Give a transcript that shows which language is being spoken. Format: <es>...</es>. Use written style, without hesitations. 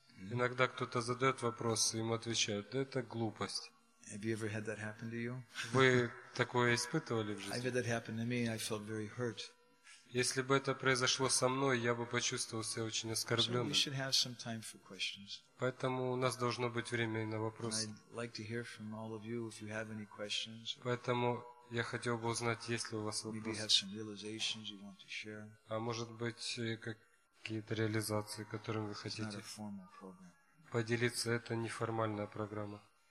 <ru>Иногда кто-то задает вопрос, и ему отвечают: "Да это глупость."</ru> <en>Have you ever had that happen to you?</en> <ru>Вы такое испытывали в жизни?</ru> <en>I've had that happen to me. I felt very hurt.</en> <ru>Если бы это произошло со мной, я бы почувствовал себя очень оскорбленным.</ru> <en>So we should have some time for questions.</en> <ru>Поэтому у нас должно быть время и на вопросы.</ru> <en>I'd like to hear from all of you if you have any questions.</en> <ru>Поэтому я хотел бы узнать, есть ли у вас вопросы.</ru> <en>Maybe you have some realizations you want to share.</en> <ru>А может быть, какие-то реализации, которыми вы хотите поделиться. Это не формальная программа.</ru>